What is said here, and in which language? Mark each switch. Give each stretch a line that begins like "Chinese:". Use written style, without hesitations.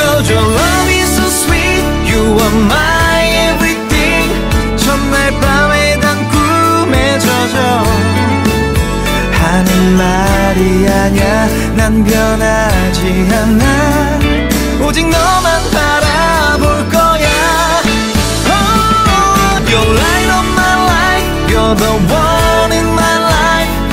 English: Your love is so sweet, you are my everything.
Korean: 첫날 밤에 단 꿈에 젖어 하는 말이 아냐. 난 변하지 않아, 오직 너만 바라볼 거야.
English: Oh, your light of my life, you're the one in my life.